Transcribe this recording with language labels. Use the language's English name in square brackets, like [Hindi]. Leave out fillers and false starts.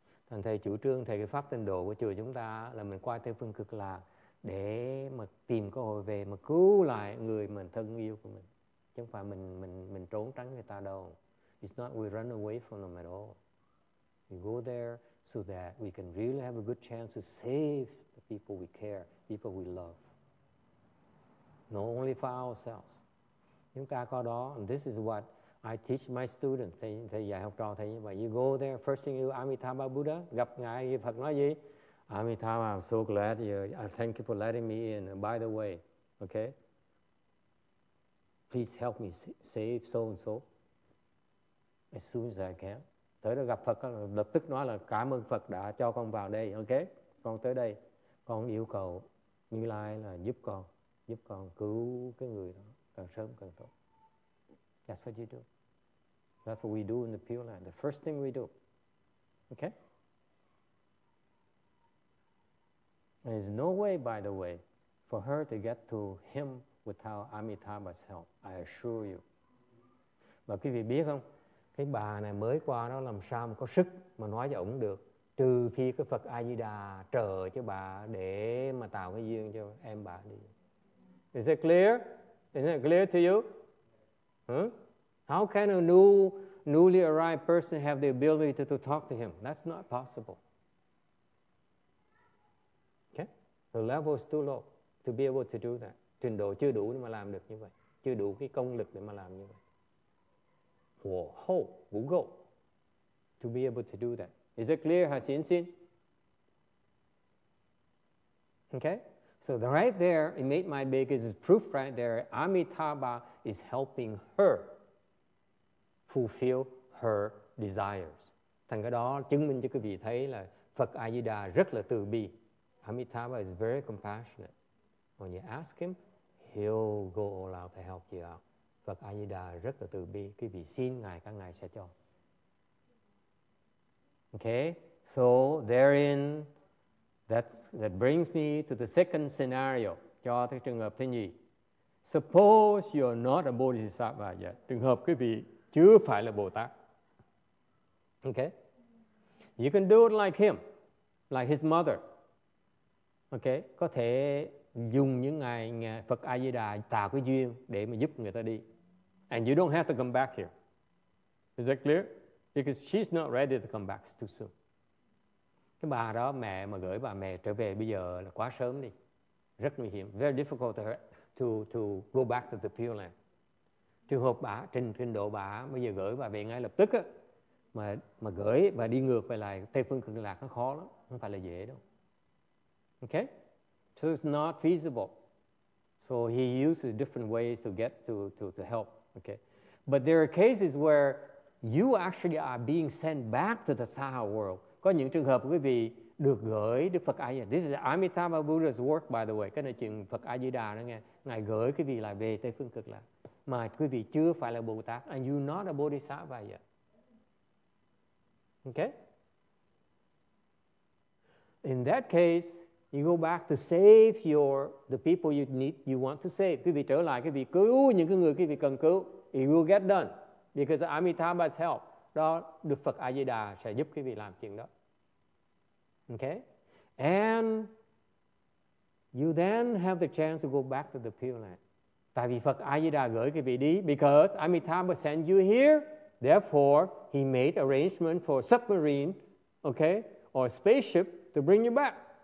[Vietnamese] Thành thầy chủ trương thầy cái pháp tịnh độ của chùa chúng ta là mình qua Tây Phương Cực Lạc để mà tìm cơ hội về mà cứu lại người mình thân yêu của mình. Chứ không phải mình trốn tránh người ta đâu. [English] It's not we run away from them at all. We go there so that we can really have a good chance to save the people we care, people we love. Not only for ourselves. [Vietnamese] Chúng ta có đó, [English] and this is what I teach my students. [Vietnamese] Thầy dạy học trò thầy như vậy. [English] You go there, first thing you do, [Vietnamese] Amitabha Buddha, gặp ngài Phật nói gì? [English] Amitabha, I'm so glad you're, thank you for letting me in. By the way, okay? Please help me save so-and-so as soon as I can. [Vietnamese] Tới đó gặp Phật, lập tức nói là cảm ơn Phật đã cho con vào đây, okay? Con tới đây, con yêu cầu Như Lai là giúp con cứu cái người đó càng sớm càng tốt. [English] That's what you do. That's what we do in the Pure Land. The first thing we do, okay? There's no way, by the way, for her to get to him without Amitabha's help. I assure you. [Vietnamese] Và quý vị biết không? Cái bà này mới qua đó làm sao mà có sức mà nói với ổng được? Trừ phi cái Phật A Di Đà trợ cho bà để mà tạo cái duyên cho em bà đi. [English] Is it clear? Is it clear to you? How can a newly arrived person have the ability to talk to him? That's not possible. Okay? The level is too low to be able to do that. [Vietnamese] Trình độ chưa đủ để mà làm được như vậy. Chưa đủ cái công lực để mà làm như vậy. [English] For hope, vũ gộ, to be able to do that. Is it clear, Hasin Sin? Okay? So right there, it made my biggest proof right there. Amitabha is helping her fulfill her desires. [Vietnamese] Thành cái đó chứng minh cho quý vị thấy là Phật A Di Đà rất là từ bi. [English] Amitabha is very compassionate. When you ask him, he'll go all out to help you out. [Vietnamese] Phật A Di Đà rất là từ bi. Quý vị xin ngài, các ngài sẽ cho. [English] Okay, so therein, that brings me to the second scenario. [Vietnamese] Cho cái trường hợp thứ nhì. [English] Suppose you're not a Bodhisattva yet. [Vietnamese] Trường hợp quý vị chưa phải là Bồ Tát. [English] Okay? You can do it like him, like his mother. Okay? [Vietnamese] Có thể dùng những ngày Phật A Di Đà tạo cái duyên để mà giúp người ta đi. [English] And you don't have to come back here. Is that clear? Because she's not ready to come back too soon. [Vietnamese] Cái bà đó, mẹ mà gửi bà mẹ trở về bây giờ là quá sớm đi. Rất nguy hiểm. [English] Very difficult to her to go back to the Pure Land. [Vietnamese] Trường hợp bà, trình độ bà bây giờ gửi bà về ngay lập tức á, mà gửi bà đi ngược về lại Tây Phương Cực Lạc nó khó lắm. Không phải là dễ đâu. Okay? [English] So it's not feasible. So he uses different ways to get to help. Okay? But there are cases where you actually are being sent back to the Saha world. [Vietnamese] Có những trường hợp quý vị được gửi Đức Phật A Di Đà. [English] This is Amitabha Buddha's work, by the way. [Vietnamese] Cái này chuyện Phật A Di Đà đó nghe. Ngài gửi quý vị lại về Tây Phương Cực Lạc. Mà quý vị chưa phải là Bồ Tát. [English] And you're not a Bodhisattva yet. Okay? In that case, you go back to save the people you want to save. [Vietnamese] Quý vị trở lại, quý vị cứu những người quý vị cần cứu. [English] It will get done. Because Amitabha's help, [Vietnamese] đó, Đức Phật A Di Đà sẽ giúp quý vị làm chuyện đó. [English] Okay? And you then have the chance to go back to the Pure Land. [Vietnamese] Tại vì Phật A Di Đà gửi quý vị đi, [English] because Amitabha sent you here, therefore he made arrangement for a submarine, okay, or a spaceship to bring you back.